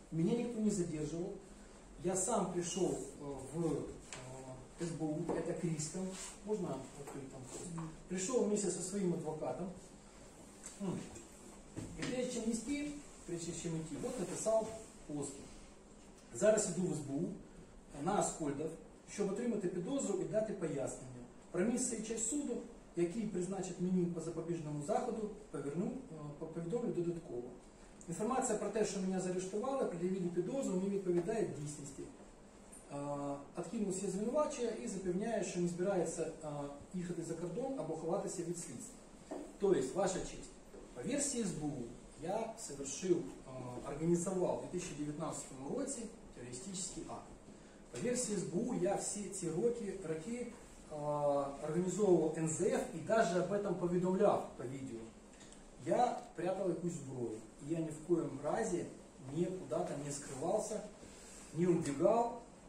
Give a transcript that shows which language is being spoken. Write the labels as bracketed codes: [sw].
[ru] Меня никто не задерживал. Я сам пришел в СБУ, это Кристал, можно открыть там? Пришел вместе со своим адвокатом. И прежде чем идти, вот написал Плоский. [uk] Зараз иду в СБУ, на Аскольдов, щоб отримати підозру і дати пояснення. Про місце і час суду, який призначить мені по запобіжному заходу, повідомлю додатково. Інформація про те, що мене заарештували, пред'явили підозру, мені відповідає дійсності. Откинув все звинувачення і запевняє, що не збирається їхати за кордон або ховатися від слідства. Тобто, ваша честь, по версії СБУ, я організував у 2019 році терористичний акт. [ru] По версии СБУ я все эти роки организовывал НЗФ и даже об этом поведомлял по видео. Я прятал какую-то сброю. Я ни в коем разе не куда-то не скрывался, не убегал.